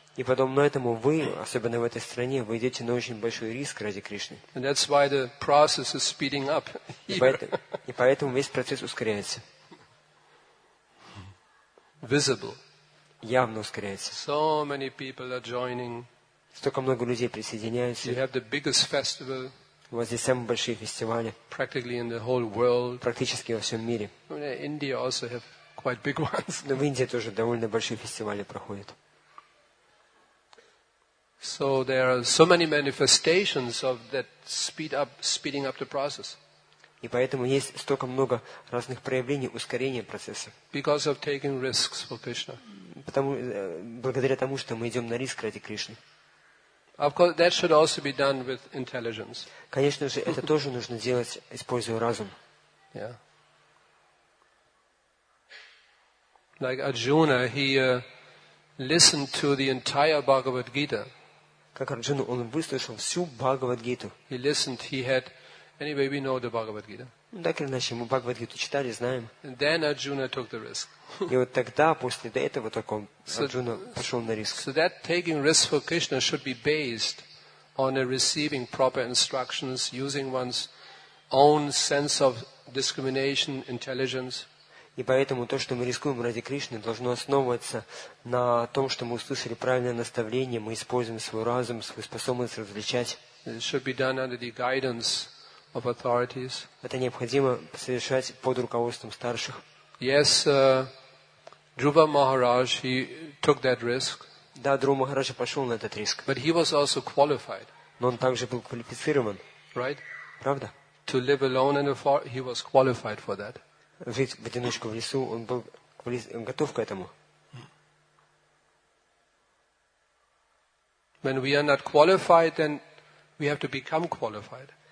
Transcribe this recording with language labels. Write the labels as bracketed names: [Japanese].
[Russian] И подобно этому вы, особенно в этой стране, вы идете на очень большой риск ради Кришны. [English] And that's why the process is speeding up. [Russian] И поэтому весь процесс ускоряется. [English] Visible. [Russian] Явно ускоряется. [English] So many people are joining. [Russian] Столько много людей присоединяются. [English] You have the biggest festival. [Russian] У вас здесь самые большие фестивали. [English] Practically in the whole world. [Russian] Практически во всем мире. [English] India also have quite big ones. [Russian] Но в Индии тоже довольно большие фестивали проходят. [English] So there are so many manifestations of that speeding up the process. [Russian] И поэтому есть столько много разных проявлений ускорения процесса. [English] Because of taking risks for Krishna. [Russian] Благодаря тому, что мы идем на риск ради Кришны. [English] Of course, that should also be done with intelligence. [Russian] Конечно же, это тоже нужно делать, используя разум. [English] Yeah. Like Arjuna, he listened to the entire Bhagavad Gita. [Russian] Как Арджуна, он выслушал всю Бхагавад-гиту. [English] He listened, he had... Anyway, we know the Bhagavad-gita. [Russian] Так или иначе, мы Бхагавад-гиту читали, знаем. [English] And then Arjuna took the risk. [Russian] И вот тогда, после этого, только Арджуна пошел на риск. [English] So that taking risk for Krishna should be based on a receiving proper instructions, using one's own sense of discrimination, intelligence. [Russian] И поэтому то, что мы рискуем ради Кришны, должно основываться на том, что мы услышали правильное наставление, мы используем свой разум, свою способность различать. Это необходимо совершать под руководством старших. [English] Yes, Dhruva Maharaj, he took that risk. [Russian] Да, Друва Махарадж пошел на этот риск. [English] But he was also qualified. [Russian] Но он также был квалифицирован. [English] Right? [Russian] Правда? [English] To live alone in the forest, he was qualified for that. [Russian] Жить в одиночку в лесу, он был готов к этому. [English] When we are not qualified, then we have to become qualified.